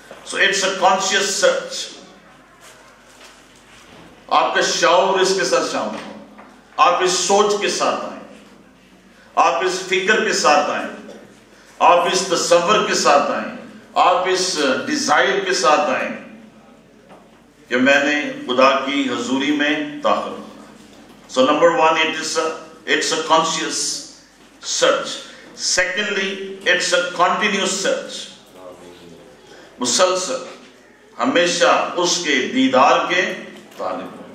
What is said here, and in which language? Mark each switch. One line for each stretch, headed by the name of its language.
English: so it's a conscious search,
Hindi: आपके शौर इसके साथ शामिल हो, आप इस सोच के साथ आए, आप इस फिक्र के साथ आए, आप इस तसव्वुर के साथ आए, आप इस डिजायर के साथ आए कि मैंने खुदा की हजूरी में दाखिल।
English: So number one, it's a conscious search. Secondly, it's a continuous search.
Hindi: मुसलसल हमेशा उसके दीदार के तालिब।